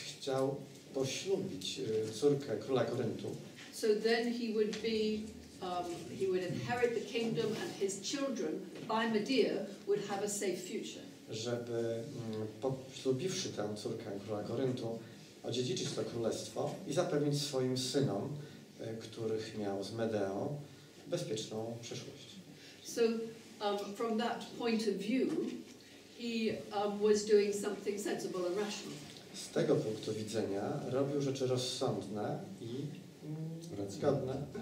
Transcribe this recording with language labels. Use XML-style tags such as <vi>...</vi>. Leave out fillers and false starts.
<pl>Chciał poślubić córkę króla Koryntu.</pl> <en>So then he would be he would inherit the kingdom and his children by Medea would have a safe future.</en> <pl>Żeby poślubiwszy tę córkę króla Koryntu, odziedziczyć to królestwo i zapewnić swoim synom, których miał z Medeą, bezpieczną przyszłość.</pl> <en>So from that point of view, he was doing something sensible and rational.</en> <pl>Z tego punktu widzenia robił rzeczy rozsądne i zgodne.</pl>